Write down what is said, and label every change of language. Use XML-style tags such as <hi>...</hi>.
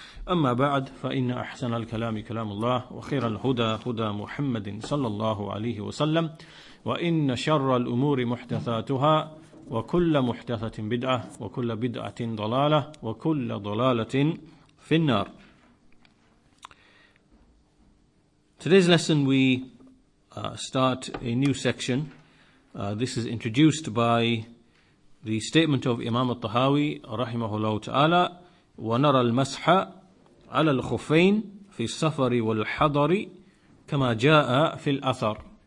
<ar>أما بعد فإن أحسن الكلام كلام الله وخير الهدى هدى محمد صلى الله عليه وسلم وإن شر الأمور محدثاتها وكل محدثة بدعة وكل بدعة ضلالة وكل ضلالة في النار.</ar> <en>Today's lesson we start a new section. This is introduced by the statement of Imam al-Tahawi رحمه الله تعالى</en> <ar>ونرى المسح على الخفين في السفر والحضر كما جاء في الأثر.</ar>